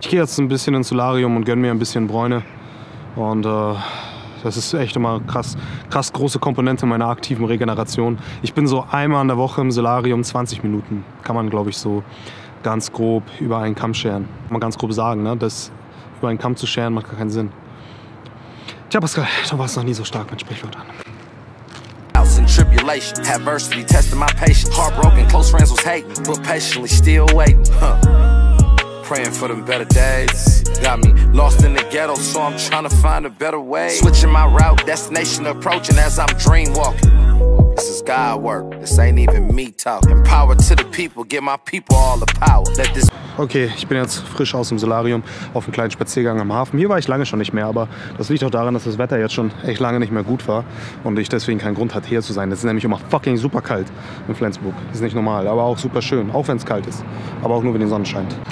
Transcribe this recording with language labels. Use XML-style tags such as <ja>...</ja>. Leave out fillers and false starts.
<de>Ich gehe jetzt ein bisschen ins Solarium und gönne mir ein bisschen Bräune. Und das ist echt immer krass, krass große Komponente meiner aktiven Regeneration. Ich bin so einmal in der Woche im Solarium 20 Minuten. Kann man, glaube ich, so ganz grob über einen Kamm scheren. Kann man ganz grob sagen, ne? Das über einen Kamm zu scheren macht gar keinen Sinn. Tja, Pascal, du warst noch nie so stark mit Sprichwörtern.</de> <en>Tribulation, adversity, testing my patience. Heartbroken, close friends was hating, but patiently still waiting. Huh. Praying for them better days. Got me lost in the ghetto, so I'm trying to find a better way. Switching my route, destination approaching as I'm dream walking. This is God work, this ain't even me talking. Power to the people, give my people all the power. Let this.</en> <de>Okay, ich bin jetzt frisch aus dem Solarium auf einen kleinen Spaziergang am Hafen. Hier war ich lange schon nicht mehr, aber das liegt auch daran, dass das Wetter jetzt schon echt lange nicht mehr gut war und ich deswegen keinen Grund hatte, hier zu sein. Es ist nämlich immer fucking super kalt in Flensburg. Das ist nicht normal, aber auch super schön, auch wenn es kalt ist. Aber auch nur, wenn die Sonne scheint.</de>